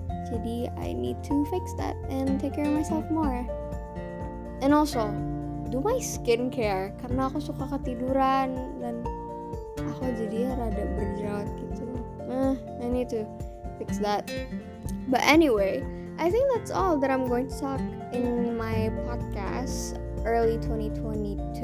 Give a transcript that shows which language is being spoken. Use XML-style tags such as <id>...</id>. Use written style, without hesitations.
<id>Jadi,</id> <en>I need to fix that and take care of myself more. And also, do my skincare,</en> <id>karena aku suka ketiduran, dan aku jadi rada berjerawat gitu.</id> <en>I need to fix that. But anyway, I think that's all that I'm going to talk in my podcast early 2022.</en>